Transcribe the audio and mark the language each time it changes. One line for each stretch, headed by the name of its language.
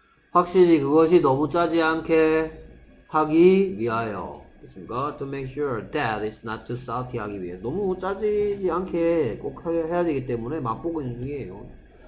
Korean: 확실히 그것이 너무 짜지 않게 하기 위하여. 그렇습니까?
English: To make sure that it's not too salty
Korean: 하기 위해. 너무 짜지지 않게 꼭 해야 되기 때문에 맛보고 있는 중이에요.